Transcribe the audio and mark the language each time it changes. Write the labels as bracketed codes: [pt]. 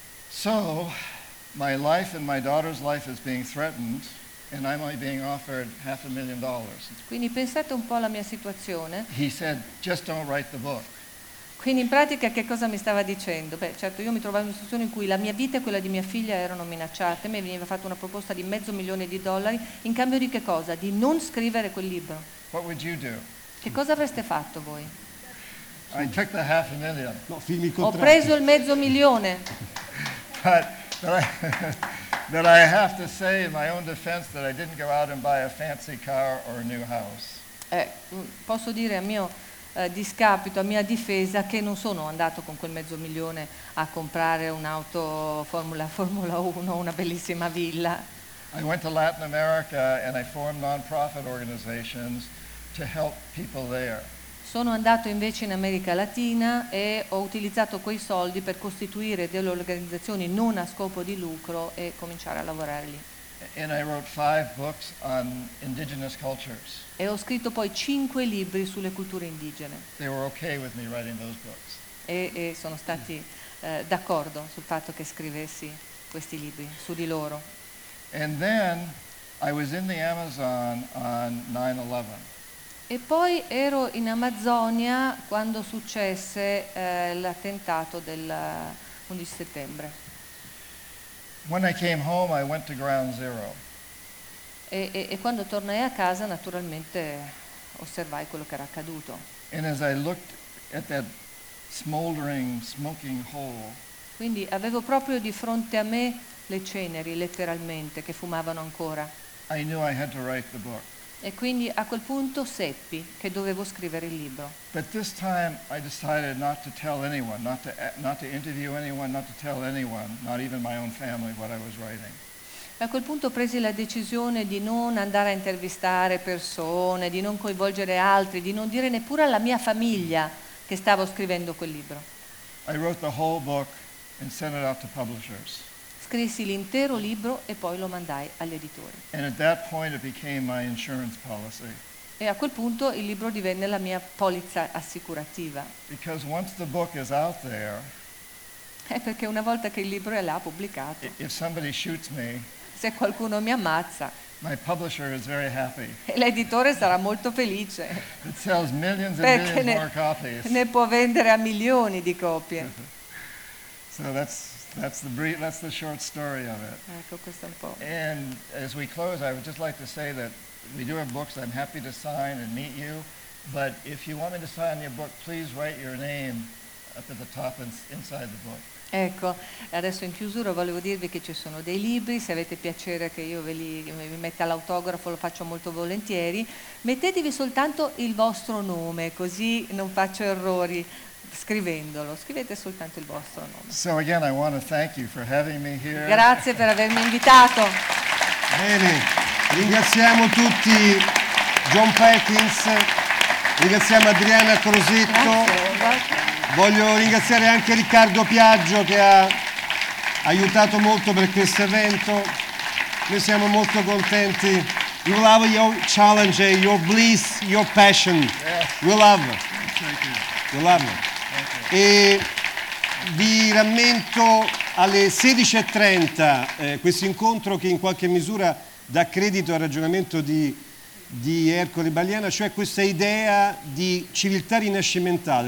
[en] So, my life and my daughter's life is being threatened, and I'm only being offered $500,000. [it] Quindi pensate un po' alla mia situazione. [en] He said, just don't write the book. [it] Quindi in pratica che cosa mi stava dicendo? Beh, certo, io mi trovavo in una situazione in cui la mia vita e quella di mia figlia erano minacciate, mi veniva fatta una proposta di mezzo milione di dollari in cambio di che cosa? Di non scrivere quel libro. [en] What would you do? [it] Che cosa avreste fatto voi? [en] I took the half a million. [it] No, firmi il contratto. Ho preso il mezzo milione. [en] But I have to say in my own defense that I didn't go out and buy a fancy car or a new house. [it] Posso dire a mio discapito, a mia difesa, che non sono andato con quel mezzo milione a comprare un'auto Formula 1, una bellissima villa. [en] I went to Latin America and I formed non-profit organizations to help people there. [it] Sono andato invece in America Latina e ho utilizzato quei soldi per costituire delle organizzazioni non a scopo di lucro e cominciare a lavorare lì. [en] And I wrote 5 books on indigenous cultures. [it] E ho scritto poi 5 libri sulle culture indigene. [en] They were okay with me writing those books. [it] E sono stati d'accordo sul fatto che scrivessi questi libri su di loro. [en] And then I was in the Amazon on 9/11. [it] E poi ero in Amazzonia quando successe l'attentato del 11 settembre. [en] When I came home, I went to ground zero. [it] E quando tornai a casa, naturalmente osservai quello che era accaduto. [en] And as I looked at that smoldering, smoking hole, [it] quindi avevo proprio di fronte a me le ceneri, letteralmente, che fumavano ancora. [en] I knew I had to write the book. [it] E quindi a quel punto seppi che dovevo scrivere il libro. [en] But this time I decided not to tell anyone, not to interview anyone, not to tell anyone, not even my own family, what I was writing. [it] A quel punto presi la decisione di non andare a intervistare persone, di non coinvolgere altri, di non dire neppure alla mia famiglia che stavo scrivendo quel libro. [en] I wrote the whole book and sent it out to publishers. [it] Scrissi l'intero libro e poi lo mandai agli editori. [en] And at that point it became my insurance policy. [it] E a quel punto il libro divenne la mia polizza assicurativa. [en] Because once the book is out there, [it] è perché una volta che il libro è là pubblicato, [en] if somebody shoots me, [it] se qualcuno mi ammazza, [en] my publisher is very happy. [it] L'editore sarà molto felice. [en] It sells millions and [it] perché [en] millions more copies. [it] Ne può vendere a milioni di copie. [en] So that's the short story of it. [it] Ecco, questo è un po'. [en] And as we close, I would just like to say that we do have books. I'm happy to sign and meet you. But if you want me to sign your book, please write your name up at the top and inside the book. [it] Ecco, adesso in chiusura volevo dirvi che ci sono dei libri. Se avete piacere che io vi metta l'autografo, lo faccio molto volentieri. Mettetevi soltanto il vostro nome, così non faccio errori scrivendolo. Scrivete soltanto il vostro nome. [en] So again, I want to thank you for having me here. [it] Grazie per avermi invitato. Bene, ringraziamo tutti John Perkins, ringraziamo Adriana Crosetto. Grazie. Voglio ringraziare anche Riccardo Piaggio che ha aiutato molto per questo evento. Noi siamo molto contenti. [en] We love your challenge, your bliss, your passion. We love. We love. [it] E vi rammento alle 16:30 questo incontro che in qualche misura dà credito al ragionamento di Ercole Baliana, cioè questa idea di civiltà rinascimentale.